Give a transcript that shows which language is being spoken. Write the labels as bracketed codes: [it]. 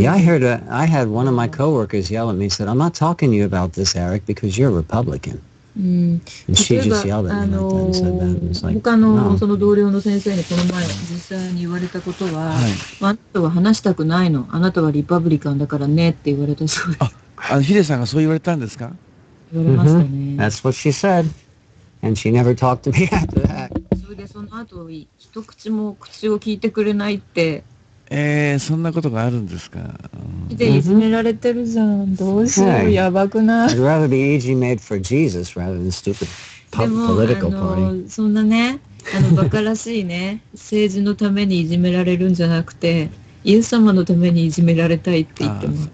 [en] Yeah, I had one of my coworkers yell at me, said, I'm not talking to you about this, Eric, because you're Republican. And she just yelled at me and said that. [ja] 他のその同僚の先生にこの前実際に言われたことは、はい、あなたは話したくないの、あなたはリパブリカンだからねって言われたそうです。ヒデさんがそう言われたんですか？ [en] That's what she said. And she never talked to me after that. [ja] それでその後、一口も口を聞いてくれないって。そんなことがあるんですか。で、いじめられてるじゃん。どうしよう、やばくない [en] 。I'd rather be easy made for Jesus rather than stupid political party. [ja] でも、そんなね、バカらしいね、政治のためにいじめられるんじゃなくて、イエス様のためにいじめられたいって言ってます。